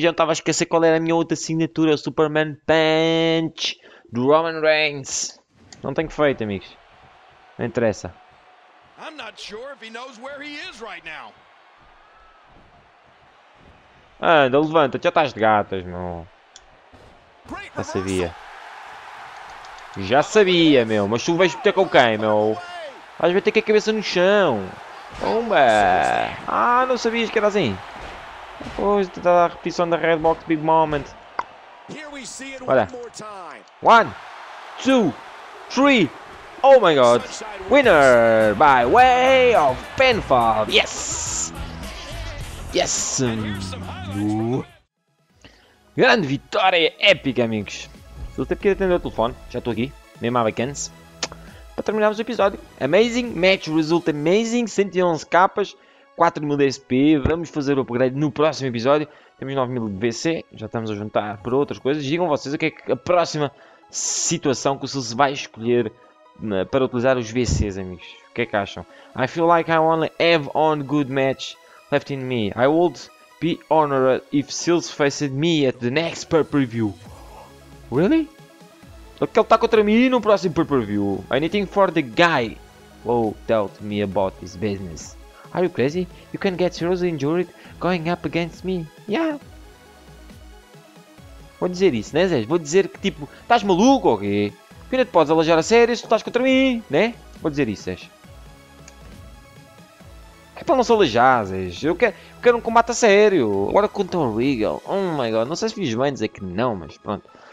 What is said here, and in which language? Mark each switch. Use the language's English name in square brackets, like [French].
[Portuguese] Já estava a esquecer qual era a minha outra assinatura. Superman Punch. Do Roman Reigns. Não tenho feito, amigos. Não interessa. [English] not sure if he knows where he is right now. [Portuguese] Anda, levanta, já estás de gatas, meu. Já sabia. Já sabia, meu. Mas tu vais meter com quem, meu? Vais meter com a cabeça no chão. Pumba! Ah, não sabias que era assim. Pois, está a repetição da Red Box Big Moment. Olha. 1, 2, 3. Oh my god. [English] Winner by way of pinfall. Yes! Yes! [Portuguese] Grande vitória épica, amigos. Estou até porque atender o telefone. Já estou aqui. Mesmo à vacância. Para terminarmos o episódio. [English] Amazing. Match result amazing. 111 capas. 4000 SP. [Portuguese] Vamos fazer o upgrade no próximo episódio. Temos 9000 VC. Já estamos a juntar para outras coisas. Digam vocês o que é que a próxima situação que o Sul se vai escolher para utilizar os VCs, amigos. O que é que acham? [English] I feel like I only have one good match left in me. I would be honored if Seals faced me at the next pay-per-view. Really? [Portuguese] Porque ele está contra mim no próximo pay-per-view. [English] Anything for the guy who told me about his business. Are you crazy? You can get seriously injured going up against me. Yeah. [Portuguese] Vou dizer isso, né, Zé? Vou dizer que tipo, estás maluco ou quê? Que ainda te podes alejar a sério se tu estás contra mim, né? Vou dizer isso, Zé. É para não se alejar, Zé. Eu quero um combate a sério. Agora contra o Regal. Oh my god, não sei se fiz bem dizer que não, mas pronto.